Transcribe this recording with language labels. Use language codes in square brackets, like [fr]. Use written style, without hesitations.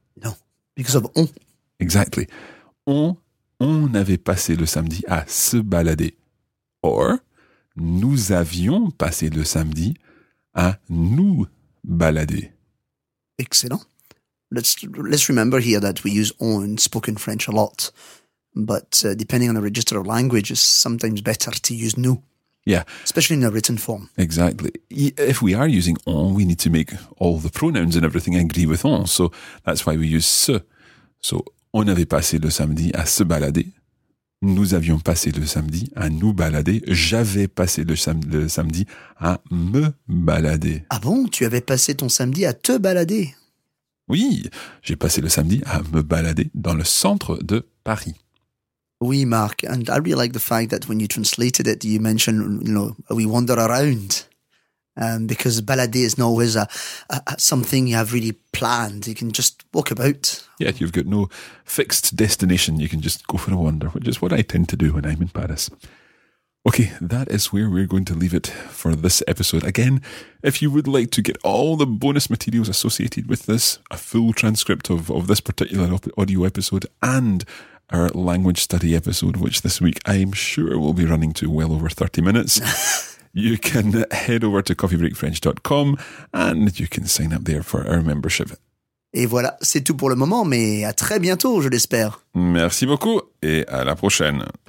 [en] No, because of on. Exactly. [fr] On avait passé le samedi à se balader. Or, nous avions passé le samedi à nous balader. [en] Excellent. Let's remember here that we use on in spoken French a lot. But depending on the register of language, it's sometimes better to use nous. Yeah. Especially in a written form. Exactly. If we are using on, we need to make all the pronouns and everything agree with on. So that's why we use se. [fr] So on avait passé le samedi à se balader. Nous avions passé le samedi à nous balader. J'avais passé le samedi à me balader. Ah bon? Tu avais passé ton samedi à te balader? Oui, j'ai passé le samedi à me balader dans le centre de Paris. [en] Oui, Marc, and I really like the fact that when you translated it, you mentioned, you know, we wander around, because balader is not always a something you have really planned. You can just walk about. Yeah, you've got no fixed destination. You can just go for a wander, which is what I tend to do when I'm in Paris. Okay, that is where we're going to leave it for this episode. Again, if you would like to get all the bonus materials associated with this, a full transcript of this particular audio episode and our language study episode, which this week I'm sure will be running to well over 30 minutes. You can head over to coffeebreakfrench.com and you can sign up there for our membership. [fr] Et voilà, c'est tout pour le moment, mais à très bientôt, je l'espère. Merci beaucoup et à la prochaine.